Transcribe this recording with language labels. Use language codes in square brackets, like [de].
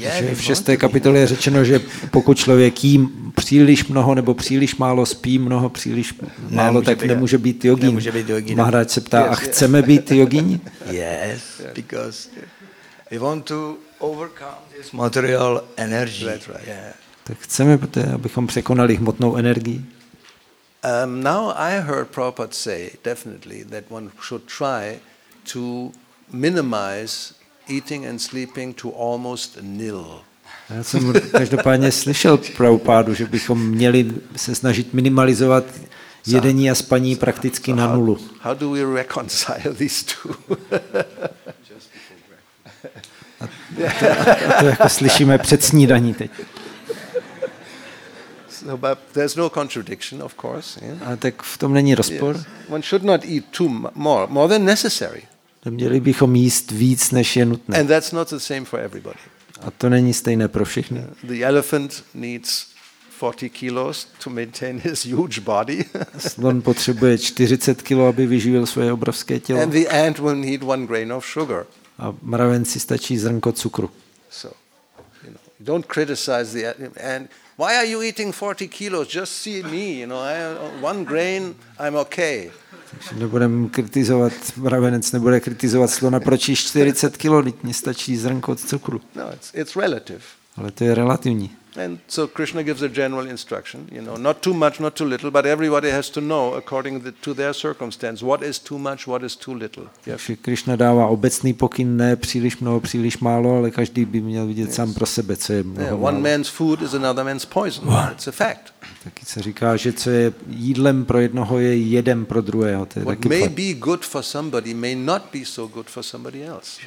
[cs] Yeah, v šesté kapitole je řečeno, že pokud člověk jí příliš mnoho nebo příliš málo, spí mnoho, příliš málo, ne, tak nemůže být yogin. Nemůže být yogin. Maharaj se ptá, yes, a chceme být yogini? [en] Yes, because we want to overcome this material energy. That's right. Yeah. [cs] Tak chceme, abychom překonali hmotnou energii. [en] Now I heard Prabhupada say definitely that one should try to minimize eating and sleeping to almost nil. [cs] Já jsem každopádně slyšel Prabhupádu, že bychom měli se snažit minimalizovat jedení a spaní prakticky na nulu. [en] How do we reconcile these two? [cs] To jako slyšíme před snídaní teď. [en] No, but there's no contradiction, of course. Yeah. [cs] A tak v tom není rozpor. [en] Yes. One should not eat more than necessary. [cs] Neměli bychom jíst víc, než je nutné. [en] And that's not the same for everybody. [cs] A to není stejné pro všechny. [en] The elephant needs 40 kilos to maintain his huge body. [cs] Slon potřebuje 40 kilo, aby vyživil svoje obrovské tělo. [en] And the ant will need one grain of sugar. [cs] A mravenci stačí zrnko cukru. [en] So, don't criticize the ant. Why are you eating 40 kilos? Just see me, I one grain, I'm okay. [cs] Takže nebudem kritizovat mravenec, nebude kritizovat slona, proč jíš 40 kilo, teď mi stačí zrnko od cukru. [en] No, it's relative. [cs] Ale to je relativní. [en] And so Krishna gives a general instruction, not too much, not too little, but everybody has to know according to their circumstance, what is too much, what is too little. [cs] Takže Krishna dává obecný pokyn, ne příliš mnoho, příliš málo, ale každý by měl vidět sám pro sebe, co je mnoho. [en] Yeah, one man's food is another man's poison. It's a fact. [cs] Taky se říká, že co je jídlem pro jednoho, je jedem pro druhého. To je [en] what [cs] taky [en] may be good for somebody may not be so good for somebody else.